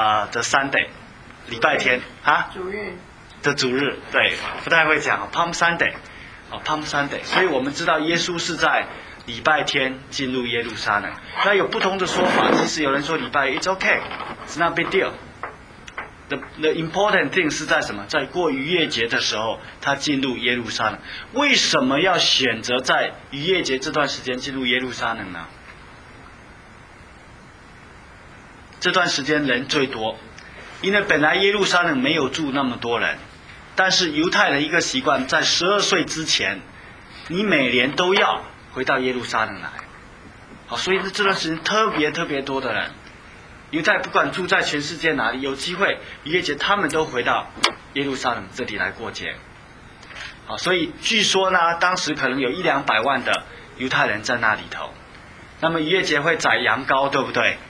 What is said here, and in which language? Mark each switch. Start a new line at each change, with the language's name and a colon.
Chinese: 的 Sunday， 礼拜天啊，的主日，对，不太会讲 Palm Sunday， 哦 Palm Sunday， 所以我们知道耶稣是在礼拜天进入耶路撒冷。那有不同的说法，其实有人说礼拜一 ，
English: It's okay， it's not big deal。 The important thing
Chinese: 是在什么？在过逾越节的时候，他进入耶路撒冷。为什么要选择在逾越节这段时间进入耶路撒冷呢？这段时间人最多，因为本来耶路撒冷没有住那么多人，但是犹太的一个习惯，在十二岁之前，你每年都要回到耶路撒冷来，好，所以这段时间特别特别多的人，犹太不管住在全世界哪里，有机会逾越节他们都回到耶路撒冷这里来过节，好，所以据说呢，当时可能有一两百万的犹太人在那里头，那么逾越节会宰羊羔，对不对？